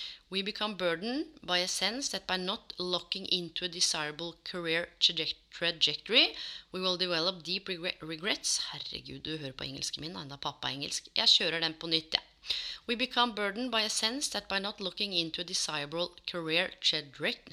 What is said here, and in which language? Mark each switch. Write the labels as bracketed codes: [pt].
[en] We become burdened by a sense that by not locking into a desirable career trajectory, we will develop deep regrets. [no] Herregud, du hører på engelsken min, enda pappa engelsk. Jeg kjører den på nytt, ja. [en] We become burdened by a sense that by not looking into a desirable career trajectory.